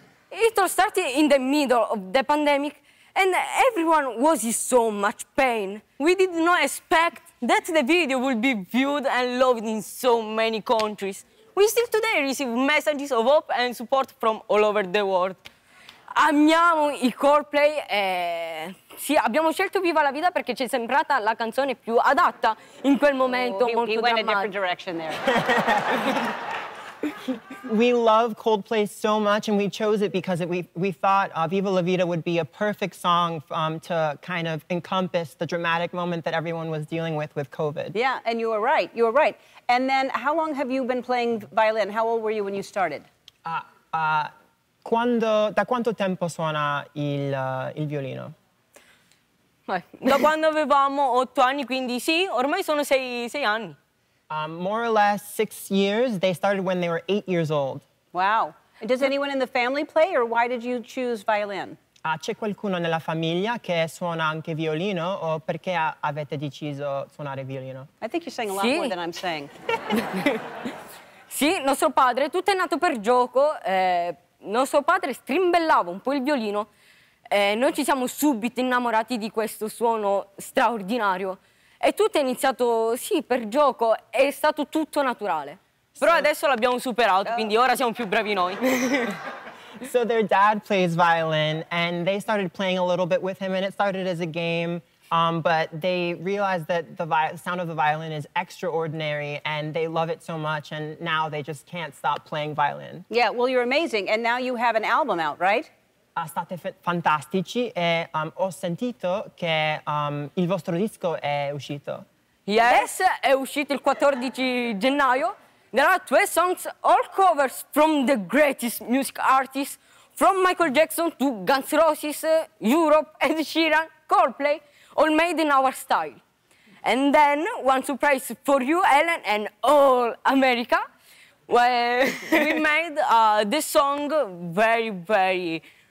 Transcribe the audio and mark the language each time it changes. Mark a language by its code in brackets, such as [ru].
[en] It all started in the middle of the pandemic, and everyone was in so much pain. We did not expect that the video would be viewed and loved in so many countries. We still today receive messages of hope and support from all over the world. [it] Amiamo i Coldplay e... Sì, abbiamo scelto Viva la Vida perché ci è sembrata la canzone più adatta in quel momento molto [en] drammatico. He went a different direction there. We love Coldplay so much, and we chose it because we thought Viva la Vida would be a perfect song to kind of encompass the dramatic moment that everyone was dealing with COVID. Yeah, and you were right. You were right. And then how long have you been playing violin? How old were you when you started? [it] Da quanto tempo suona il violino? Da quando avevamo 8 anni, quindi sì, ormai sono sei anni. [en] More or less 6 years. They started when they were 8 years old. Wow. And does anyone in the family play, or why did you choose violin? [it] C'è qualcuno nella famiglia che suona anche violino, o perché avete deciso suonare violino? [en] I think you're saying a lot more than I'm saying. [it] Sì, nostro padre, tutto è nato per gioco. Nostro padre strimbellava un po' il violino. Noi ci siamo subito innamorati di questo suono straordinario. E tutto è iniziato, sì, per gioco, è stato tutto naturale. Però adesso l'abbiamo superato, quindi ora siamo più bravi noi. [en] So their dad plays violin, and they started playing a little bit with him, and it started as a game, but they realized that the sound of the violin is extraordinary, and they love it so much, and now they just can't stop playing violin. Yeah, well, you're amazing, and now you have an album out, right? [it] State fantastici e ho sentito che il vostro disco è uscito. [en] Yes, [it] è uscito il 14 gennaio. [en] There are 12 songs, all covers from the greatest music artists, from Michael Jackson to Guns Roses, Europe, Ed Sheeran, Coldplay, all made in our style. And then, one surprise for you, Ellen, and all America, where we made this song very, very...